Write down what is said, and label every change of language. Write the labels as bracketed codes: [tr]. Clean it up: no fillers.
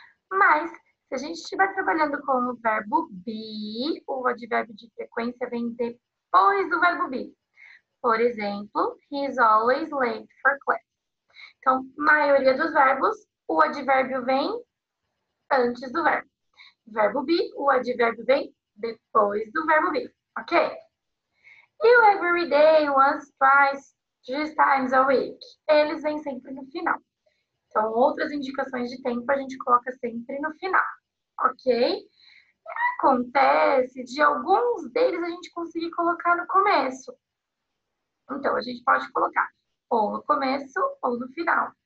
[pt] Mas, se a gente estiver trabalhando com o verbo be, o advérbio de frequência vem depois do verbo be. Por exemplo, [en] he is always late for class. [pt] Então, maioria dos verbos, o advérbio vem antes do verbo. Verbo be, o advérbio vem depois do verbo be, ok? [en] You every day, once, twice, three times a week. [pt] Eles vêm sempre no final. Então, outras indicações de tempo a gente coloca sempre no final, ok? Acontece de alguns deles a gente conseguir colocar no começo. Então, a gente pode colocar ou no começo ou no final.